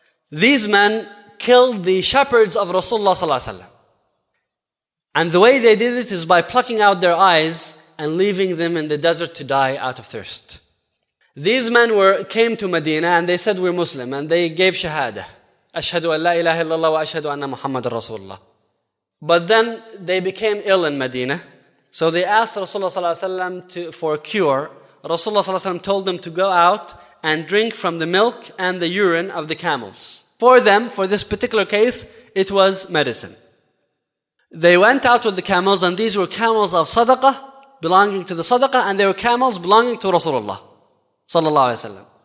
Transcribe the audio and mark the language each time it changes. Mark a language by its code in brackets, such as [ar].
[en] These men killed the shepherds of Rasulullah ﷺ. And the way they did it is by plucking out their eyes and leaving them in the desert to die out of thirst. These men came to Medina and they said, "We're Muslim," and they gave shahada. [ar] أشهد أن لا إله إلا الله وأشهد أن محمد رسول الله. [en] But then they became ill in Medina. So they asked Rasulullah sallallahu alayhi wa sallam for a cure. Rasulullah sallallahu alayhi wa sallam told them to go out and drink from the milk and the urine of the camels. For them, for this particular case, it was medicine. They went out with the camels, and these were camels of sadaqah, belonging to the sadaqah, and they were camels belonging to Rasulullah sallallahu alayhi wa sallam.